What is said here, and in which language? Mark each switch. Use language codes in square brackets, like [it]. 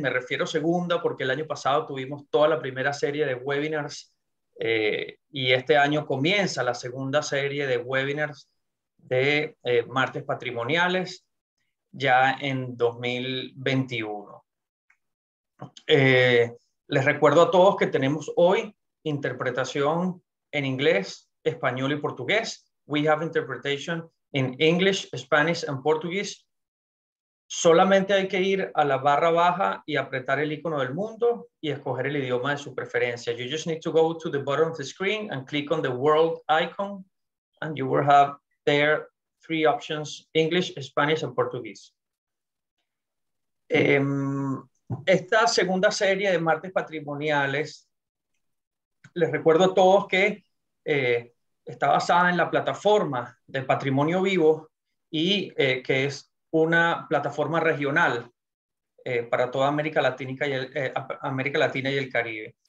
[es] Me refiero segunda porque el año pasado tuvimos toda la primera serie de webinars y este año comienza la segunda serie de webinars de martes patrimoniales ya en 2021. Les recuerdo a todos que tenemos hoy interpretación en inglés, español y portugués. [en] We have interpretation in English, Spanish and Portuguese. [es] Solamente hay que ir a la barra baja y apretar el icono del mundo y escoger el idioma de su preferencia. [en] You just need to go to the bottom of the screen and click on the world icon and you will have there three options, English, Spanish and Portuguese. [es] Esta segunda serie de martes patrimoniales, les recuerdo a todos que está basada en la plataforma de Patrimonio Vivo y que es una plataforma regional para toda América Latina, América Latina y el Caribe.